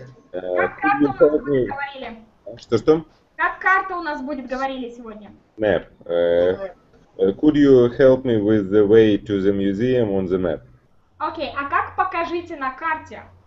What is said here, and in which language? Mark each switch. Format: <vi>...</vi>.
<ru>Как карта у нас будет, говорили? Что-что? Как карта у нас будет, говорили сегодня?</ru> <en>Map. Could you help me with the way to the museum on the map?</en> <ru>Окей, а как покажите на карте?</ru>